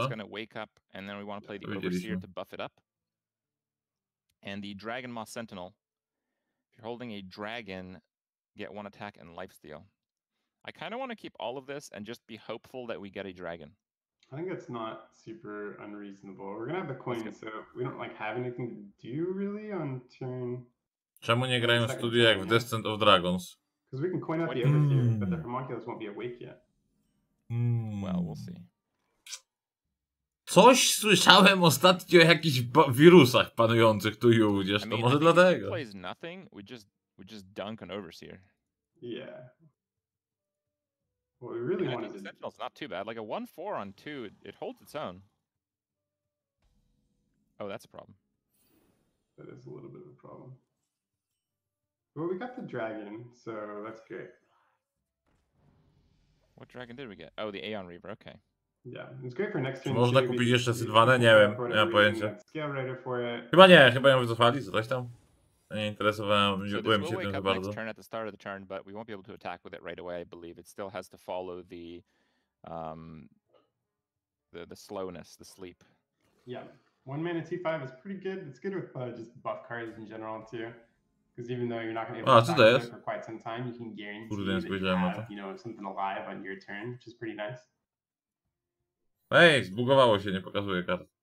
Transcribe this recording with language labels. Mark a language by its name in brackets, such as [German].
[English] It's going to wake up, and then we want to play the Overseer to buff it up. And the Dragon Moth Sentinel. If you're holding a dragon, get one attack and lifesteal. I kind of want to keep all of this and just be hopeful that we get a dragon. I think that's not super unreasonable. We're going to have the coin, so we don't like have anything to do really on turn... [Polish] Czemu nie grają studio jak w Descent of Dragons? [English] Because we can coin up the Overseer, but the Homunculus won't be awake yet. Well, we'll see. [Polish] Coś słyszałem ostatnio o jakichś wirusach panujących tu i ówdzie, to może dlatego. [English] Plays nothing, we just dunk an Overseer. Yeah. What we really want is... Sentinel's not too bad, like a 1-4 on 2, it holds its own. Oh, that's a problem. That is a little bit of a problem. Well, we got the dragon, so that's great. What dragon did we get? Oh, the Aeon Reaver, okay. Yeah, it's great for next turn. [Polish] Można kupić jeszcze Sylwanę? Nie wiem, nie mam pojęcia. Chyba nie, chyba ją wycofali, coś tam. Nie interesowałem, nie byłem się tym bardzo. [English] Turn at the start of the turn, but we won't be able to attack with it right away, I believe. It still has to follow the slowness, the sleep. Yeah, 1 mana T5 is pretty good. It's good with just buff cards in general too. Because even though you're not going to be able to attack it for quite some time, you can guarantee that you have, you know, something alive on your turn, which is pretty nice. [Polish] Hey, zbugowało się, nie pokazuje kart.